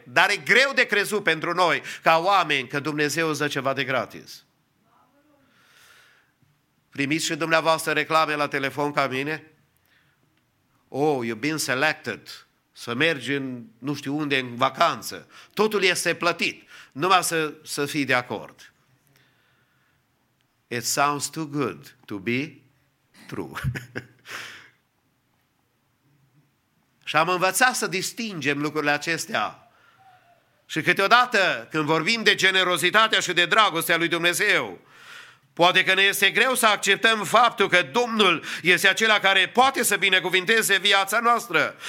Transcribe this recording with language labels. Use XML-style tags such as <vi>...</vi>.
<ro>Dar e greu de crezut pentru noi, ca oameni, că Dumnezeu îți dă ceva de gratis. Primiți și dumneavoastră reclame la telefon ca mine?</ro> <en>Oh, you've been selected.</en> <ro>Să mergi în, nu știu unde, în vacanță. Totul este plătit. Numai să fii de acord.</ro> <en>It sounds too good to be true.</en> <ro>Și am învățat să distingem lucrurile acestea. Și câteodată, când vorbim de generozitatea și de dragostea lui Dumnezeu, poate că ne este greu să acceptăm faptul că Domnul este acela care poate să binecuvinteze viața noastră.</ro>